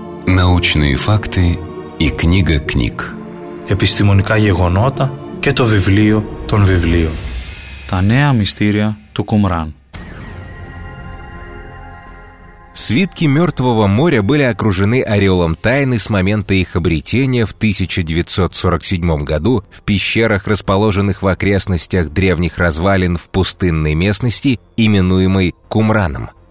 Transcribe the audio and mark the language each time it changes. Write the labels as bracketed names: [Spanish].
[Russian] Научные факты и книга книг. [Greek] Επιστημονικά γεγονότα και το βιβλίο των βιβλίων. Τα νέα μυστήρια του Κουμράν. [Russian] Свитки Мертвого моря были окружены ореолом тайны с момента их обретения в 1947 году в пещерах, расположенных в окрестностях древних развалин в пустынной местности, именуемой Кумраном.